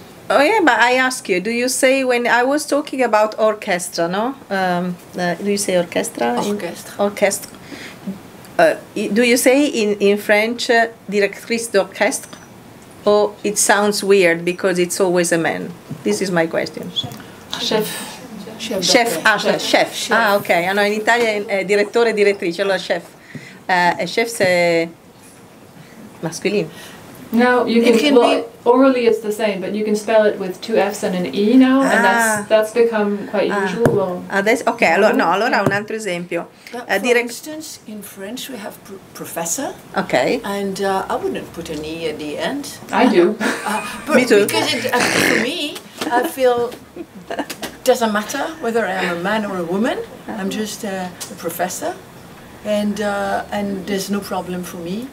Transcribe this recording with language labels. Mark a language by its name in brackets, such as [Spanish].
[English] Oh yeah, but I ask you, do you say when I was talking about orchestra, no? Do you say orchestra? Orchestra. Do you say in French directrice d'orchestre? Or it sounds weird because it's always a man? This is my question. Chef. Ah, okay. Ah, no, in Italian, direttore, direttrice, allora chef. [French] Chef, c'est masculine. [English] No, you can well, orally it's the same, but you can spell it with two F's and an E now, ah, and that's become quite usual. [Italian] Adesso, okay, allora, no, allora un altro esempio. [English] For instance, in French we have professor. Okay. And I wouldn't put an E at the end. I do. Me too. Because for me, I feel doesn't matter whether I am a man or a woman. I'm just a professor. And there's no problem for me,